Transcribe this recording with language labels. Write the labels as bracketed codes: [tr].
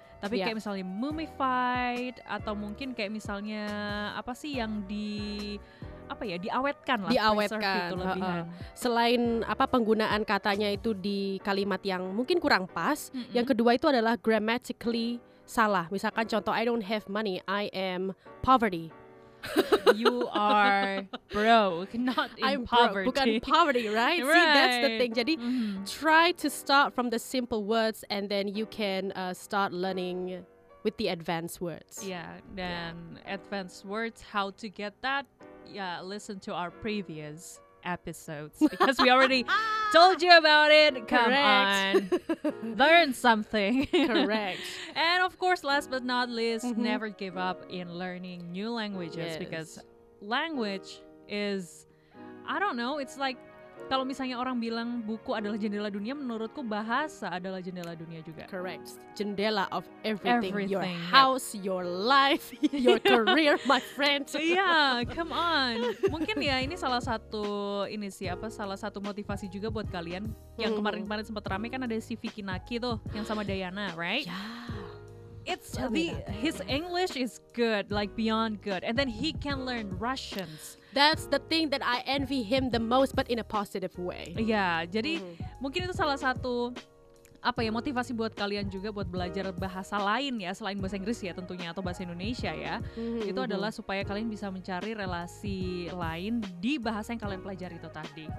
[id] Tapi kayak misalnya mummified atau mungkin kayak misalnya apa sih yang diawetkan lah. Diawetkan. Itu lebihan. Selain apa penggunaan katanya itu di kalimat yang mungkin kurang pas, yang kedua itu adalah grammatically salah. Misalkan contoh [en] I don't have money, I am poverty. You are broke, not in I'm poverty. Broke. Bukan poverty, right? See, that's the thing. Jadi, try to start from the simple words and then you can start learning with the advanced words. Yeah, then advanced words, how to get that? Yeah, listen to our previous episodes because we already told you about it. Come correct. On. Learn something. Correct. And of course, last but not least, never give up in learning new languages because language is, I don't know, it's like, [id] kalau misalnya orang bilang buku adalah jendela dunia, menurutku bahasa adalah jendela dunia juga. [en] Correct. Jendela of everything. Your house, your life, your career, my friend. Yeah, come on. [id] Mungkin ya ini salah satu ini siapa? Salah satu motivasi juga buat kalian yang kemarin-kemarin sempat rame kan ada si Vicky Naki tuh yang sama Dayana, right? [en] Yeah. It's his English is good, like beyond good, and then he can learn Russians. That's the thing that I envy him the most, but in a positive way. [id] Yeah, jadi mungkin itu salah satu apa ya motivasi buat kalian juga buat belajar bahasa lain ya, selain bahasa Inggris ya tentunya, atau bahasa Indonesia ya. Itu adalah supaya kalian bisa mencari relasi lain di bahasa yang kalian pelajari itu tadi.